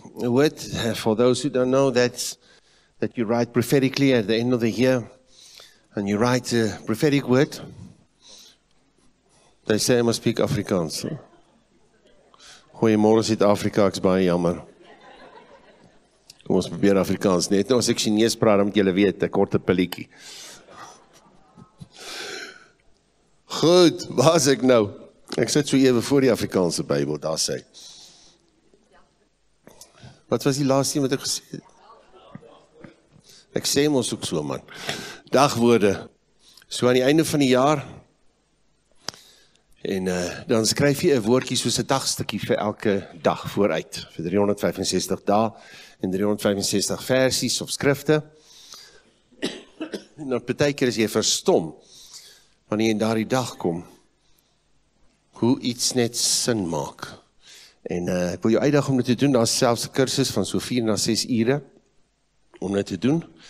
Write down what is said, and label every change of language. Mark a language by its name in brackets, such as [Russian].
[English] A word for those who don't know that you write prophetically at the end of the year, and you write a prophetic word. They say I must speak Afrikaans. [Afrikaans] Goeiemôre Suid-Afrika, ek's baie jammer. Kom ons probeer Afrikaans. Net as ek Chinese praat, dan moet julle weet, 'n korte pilletjie. Goed, waar is ek nou? Ek sit so ewe voor die Afrikaanse Bybel, daar sê. Wat was die laaste ding wat ek gesê het? Ek sê mos ook so, man. Dagwoorde. So aan die einde van die jaar. En dan skryf jy 'n woordjie soos 'n dagstukkie vir elke dag vooruit. Vir 365 dae en 365 versies of skrifte. En dan baie keer is jy verstom wanneer jy in daardie dag kom. Hoe iets net sin maak. En ek wil jou uitdag om dit te doen, daar is selfs een kursus van so 4 na 6 ure, om dit te doen.